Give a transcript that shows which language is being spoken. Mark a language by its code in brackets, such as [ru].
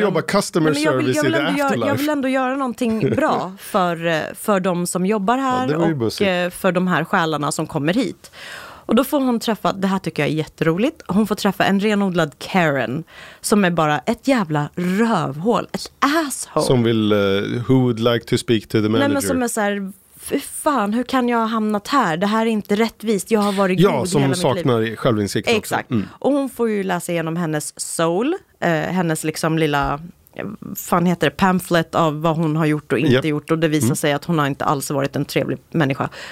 [sv] jobba [en] customer service [sv] i afterlife. Jag vill ändå göra någonting bra för de som jobbar här. Ja, och för de här själarna som kommer hit. Och då får hon träffa, det här tycker jag är jätteroligt, hon får träffa en renodlad Karen som är bara ett jävla rövhål, ett asshole. Som vill, [en] who would like to speak to the manager? [sv] Nej, men som är så här, fan, hur kan jag ha hamnat här? Det här är inte rättvist, jag har varit ja, god som hela mitt saknar liv. Självinsikt. Exakt. Också. Mm. Och hon får ju läsa igenom hennes soul, hennes liksom lilla, fan heter det, pamphlet av vad hon har gjort och inte gjort, och det visar sig att hon har inte alls varit en trevlig människa.